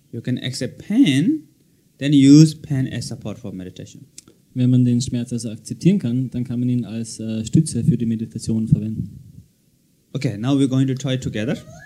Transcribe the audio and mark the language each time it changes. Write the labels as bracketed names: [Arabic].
[English] You can accept pain, then use pain as support for meditation. [German] Wenn man den Schmerz also akzeptieren kann, dann kann man ihn als Stütze für die Meditation verwenden. [English] Okay, now we're going to try it together.